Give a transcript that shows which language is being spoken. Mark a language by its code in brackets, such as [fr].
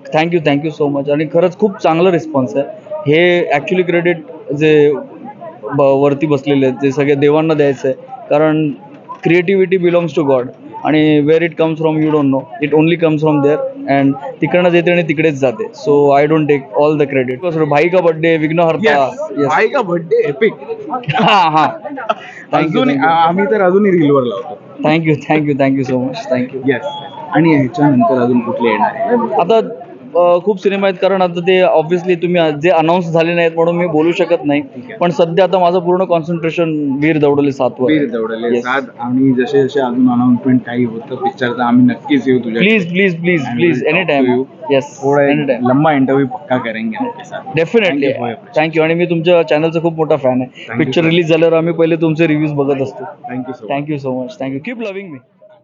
[en] Thank you, thank you so much. [mr] आणि खरंच खूप चांगला रिस्पॉन्स आहे. हे ऍक्च्युली क्रेडिट जे वरती बसलेले आहेत ते सगळे देवांना द्यायचं आहे, कारण [en] creativity belongs to God [mr] आणि [en] where it comes from you don't know, it only comes from there [mr] and तिकडनं येते आणि तिकडेच जाते. [en] So I don't take all the credit. भाई का birthday, Vighnaharta, [hi] भाई का बर्थडे एपिक. हां [mr] हां, आम्ही तर अजूनही रीलवर लावतो. [en] Thank you, thank you, thank you so much, thank you. [mr] Yes, आणि ह्याच्यानंतर अजून कुठले येणार आहे? आता खूप सिनेमा आहेत, कारण आता ते ऑब्व्हियसली तुम्ही जे अनाऊन्स झाले नाहीत म्हणून मी बोलू शकत नाही. पण सध्या आता माझं पूर्ण कॉन्सन्ट्रेशन वीर दौडले साथ वर. वीर दौडले साथ, आणि जसे जसे अजून अनाऊन्समेंट काही होतं पिक्चरचं आम्ही नक्कीच येऊ तुझ्या. [en] Please please please please, any time. Yes, [hi] लंबा इंटरव्ह्यू पक्का करेंगे. [en] Definitely, thank you. [mr] आणि मी तुमच्या चॅनलचा खूप मोठा फॅन आहे. पिक्चर रिलीज झाल्यावर आम्ही पहिले तुमचे रिव्ह्यूज बघत असतो. [en] Thank you, thank you so much, thank you. Keep loving me.